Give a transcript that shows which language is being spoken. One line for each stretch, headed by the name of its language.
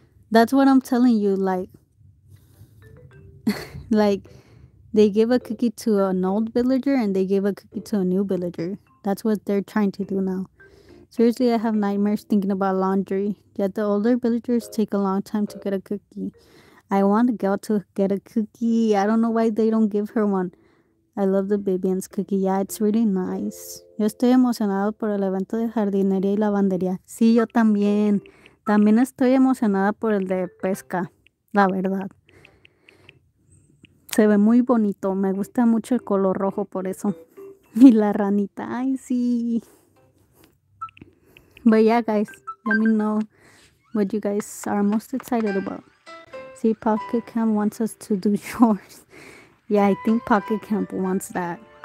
English: That's what I'm telling you. Like, like, they give a cookie to an old villager and they give a cookie to a new villager. That's what they're trying to do now. Seriously, I have nightmares thinking about laundry. Yet the older villagers take a long time to get a cookie. I want a girl to get a cookie. I don't know why they don't give her one. I love the Vivian's cookie. Yeah, it's really nice.
Spanish: Yo estoy emocionado por el evento de jardinería y lavandería. Sí, yo también. También estoy emocionada por el de pesca. La verdad. Se ve muy bonito. Me gusta mucho el color rojo por eso. Y la ranita. Ay, sí.
English: But yeah, guys, let me know what you guys are most excited about. See, Pocket Camp wants us to do chores. Yeah, I think Pocket Camp wants that.